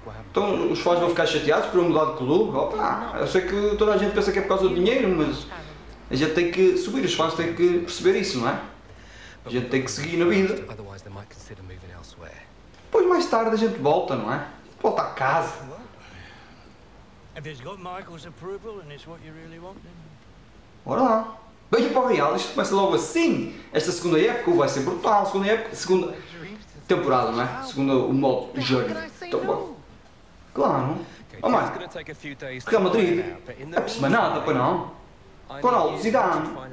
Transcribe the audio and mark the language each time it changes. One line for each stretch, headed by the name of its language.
Portuguese: Então os fãs vão ficar chateados por eu mudar de clube. Opa, eu sei que toda a gente pensa que é por causa do dinheiro, mas a gente tem que subir, os fãs têm que perceber isso, não é? A gente tem que seguir na vida. Depois mais tarde a gente volta, não é? Volta a casa.
English: If it's got Michael's approval and it's what you really want, then.
Portuguese: Ora lá, beijo para o Real, isto começa logo assim, esta segunda época vai ser brutal, segunda época, segunda temporada, não é? Segunda, o modo journey, então bom. Claro, oh, mais, Real Madrid, é por semana nada, pois não? Ronaldo, Zidane.